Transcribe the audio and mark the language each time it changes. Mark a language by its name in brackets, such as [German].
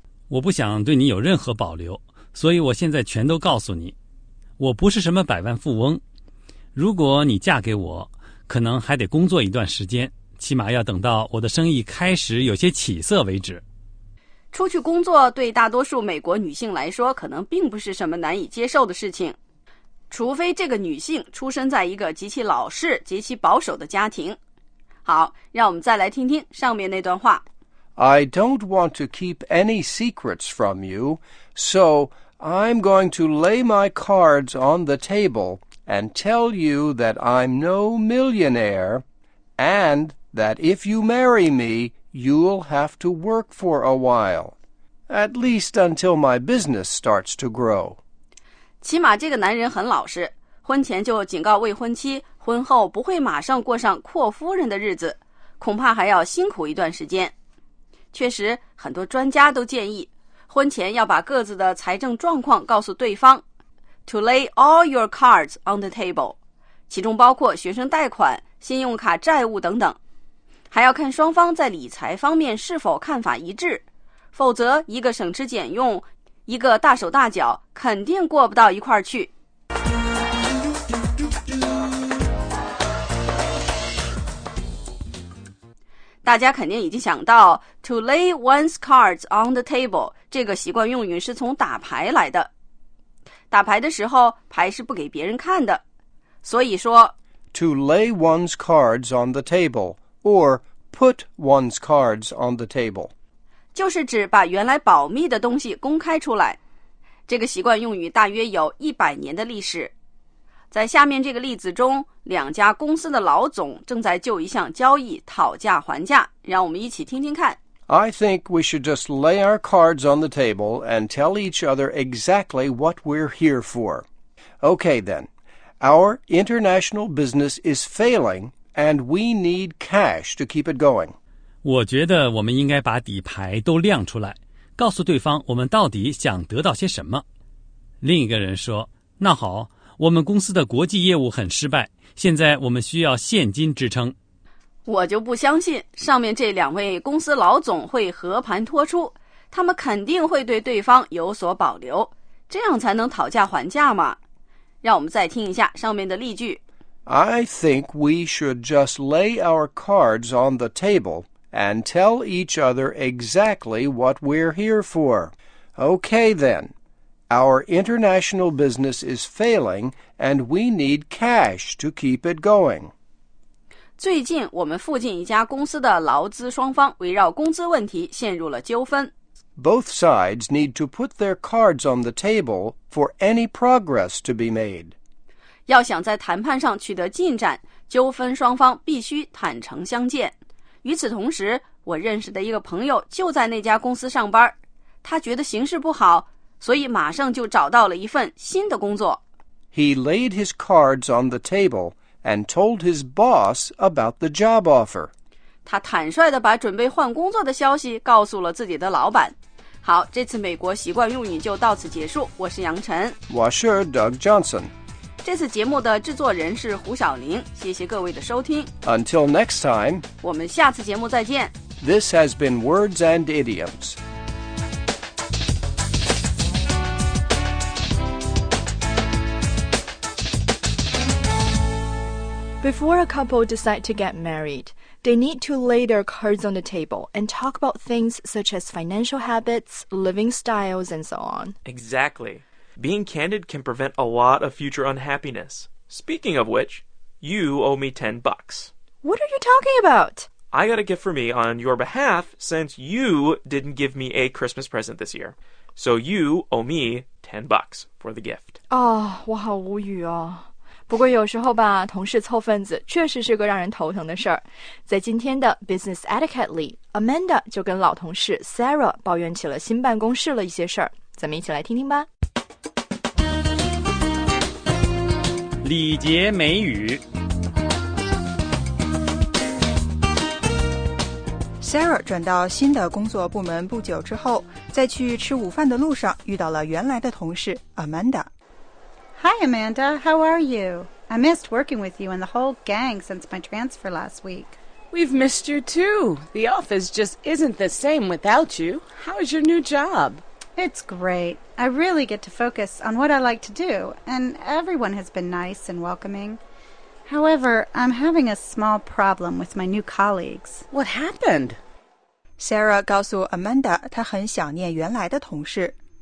[Chinese] 我不想对你有任何保留，所以我现在全都告诉你，我不是什么百万富翁，如果你嫁给我，可能还得工作一段时间，起码要等到我的生意开始有些起色为止。出去工作对大多数美国女性来说可能并不是什么难以接受的事情，除非这个女性出生在一个极其老式极其保守的家庭。好，让我们再来听听上面那段话。 [English] I don't want to keep any secrets from you, soI'm going to lay my cards on the table and tell you that I'm no millionaire and that if you marry me, you'll have to work for a while, at least until my business starts to grow. [Chinese] 起码这个男人很老实，婚前就警告未婚妻，婚后不会马上过上阔夫人的日子，恐怕还要辛苦一段时间。确实，很多专家都建议婚前要把各自的财政状况告诉对方 , [English] to lay all your cards on the table, [Chinese] 其中包括学生贷款、信用卡债务等等。还要看双方在理财方面是否看法一致，否则一个省吃俭用，一个大手大脚，肯定过不到一块儿去。大家肯定已经想到 [English] to lay one's cards on the table [Chinese] 这个习惯用语是从打牌来的。打牌的时候牌是不给别人看的，所以说 [English] to lay one's cards on the table or put one's cards on the table [Chinese] 就是指把原来保密的东西公开出来。这个习惯用语大约有100年的历史。在下面这个例子中，两家公司的老总正在就一项交易讨价还价，让我们一起听听看。 [English] I think we should just lay our cards on the table and tell each other exactly what we're here for. Okay then, our international business is failing and we need cash to keep it going. [Chinese] 我觉得我们应该把底牌都亮出来，告诉对方我们到底想得到些什么。另一个人说，那好，我们公司的国际业务很失败，现在我们需要现金支撑。我就不相信上面这两位公司老总会和盘托出，他们肯定会对对方有所保留，这样才能讨价还价嘛。让我们再听一下上面的例句。 [English] I think we should just lay our cards on the table and tell each other exactly what we're here for. Okay then, our international business is failing and we need cash to keep it going. [Chinese] 最近我们附近一家公司的劳资双方围绕工资问题陷入了纠纷。 [English] Both sides need to put their cards on the table for any progress to be made. [Chinese] 要想在谈判上取得进展，纠纷双方必须坦诚相见。与此同时，我认识的一个朋友就在那家公司上班，他觉得形势不好，所以马上就找到了一份新的工作。 [English] He laid his cards on the table and told his boss about the job offer. [Chinese] 他坦率地把准备换工作的消息告诉了自己的老板。好，这次美国习惯用语就到此结束。我是杨晨。我是 Doug Johnson。这次节目的制作人是胡晓玲。谢谢各位的收听。 [English] Until next time. [Chinese] 我们下次节目再见。 [English] This has been Words and Idioms. Before a couple decide to get married,They need to lay their cards on the table and talk about things such as financial habits, living styles, and so on. Exactly. Being candid can prevent a lot of future unhappiness. Speaking of which, you owe me $10. What are you talking about? I got a gift for me on your behalf since you didn't give me a Christmas present this year. So you owe me $10 for the gift. [Chinese] Oh, 我好无语哦。不过有时候吧，同事凑份子确实是个让人头疼的事儿。在今天的 Business Etiquette 里， Amanda 就跟老同事 Sarah 抱怨起了新办公室了一些事儿。咱们一起来听听吧。礼节美语。 Sarah 转到新的工作部门不久之后，在去吃午饭的路上遇到了原来的同事 Amanda [English] Hi, Amanda. How are you? I missed working with you and the whole gang since my transfer last week. We've missed you, too. The office just isn't the same without you. How's your new job? It's great. I really get to focus on what I like to do, and everyone has been nice and welcoming. However, I'm having a small problem with my new colleagues. What happened? [Chinese] Sarah 告诉 Amanda 她很想念原来的同事。